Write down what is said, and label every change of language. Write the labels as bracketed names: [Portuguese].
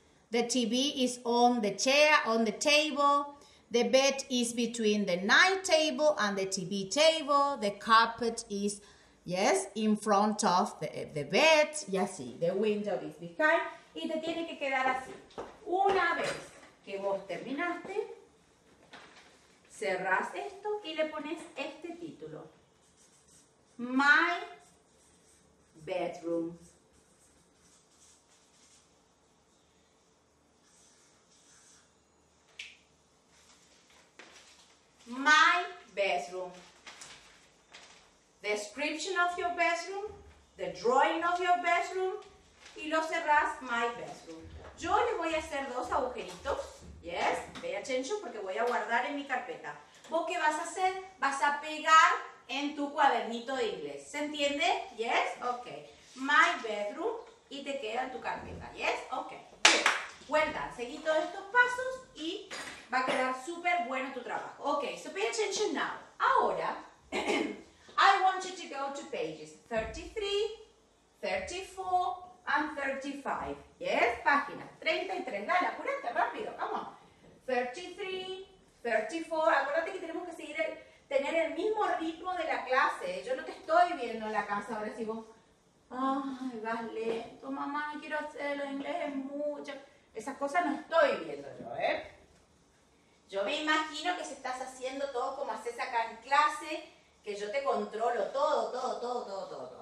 [English] The TV is on the chair, on the table. The bed is between the night table and the TV table. The carpet is, yes, in front of the bed. [Spanish] Y así, [English] the window is behind. [Spanish] Y te tiene que quedar así. Una vez que vos terminaste, cerrás esto y le pones este título. [English] My bedroom. My bedroom. Description of your bedroom, the drawing of your bedroom, [Spanish] y lo cerrás, [English] my bedroom. [Spanish] Yo le voy a hacer dos agujeritos, [English] yes, pay attention, [Spanish] porque voy a guardar en mi carpeta. ¿Vos qué vas a hacer? Vas a pegar en tu cuadernito de inglés. ¿Se entiende? Yes, ok. [English] My bedroom, [Spanish] y te queda en tu carpeta, yes, ok. [English] Well done. [Spanish] Seguí todos estos pasos y va a quedar súper bueno tu trabajo. [English] Ok, so pay attention now. Ahora, I want you to go to pages 33, 34, and 35. Yes, páginas 33. [Spanish] Dale, apurate, rápido, [English] come on. [Spanish] 33, 34. Acuérdate que tenemos que seguir tener el mismo ritmo de la clase. Yo no te estoy viendo en la casa ahora si vos, ay, vas lento, mamá, no quiero hacerlo, inglés es mucho. Esas cosas no estoy viendo yo, ¿eh? Yo me imagino que si estás haciendo todo como haces acá en clase, que yo te controlo todo, todo, todo, todo, todo, todo.